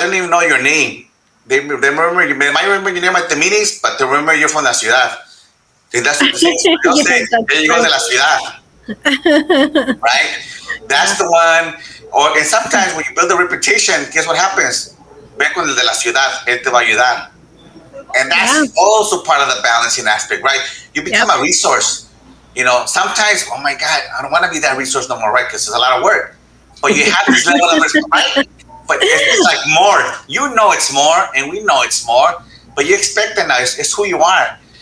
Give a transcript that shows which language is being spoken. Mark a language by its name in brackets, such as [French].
[English] They don't even know your name. They remember you. They might remember your name at the meetings, but they remember you're from the ciudad. And that's what they say. They'll say, "There you go, [Spanish] de la ciudad." [English] Right, that's the one. And sometimes when you build a reputation, guess what happens? [Spanish] Con el de la ciudad, él te va a ayudar. [English] And that's also part of the balancing aspect, right? You become a resource. You know, sometimes, oh my God, I don't want to be that resource no more, right? Because it's a lot of work. But you have this level of resource, right? But it's like more. You know it's more, and we know it's more, but you expect it now. It's who you are.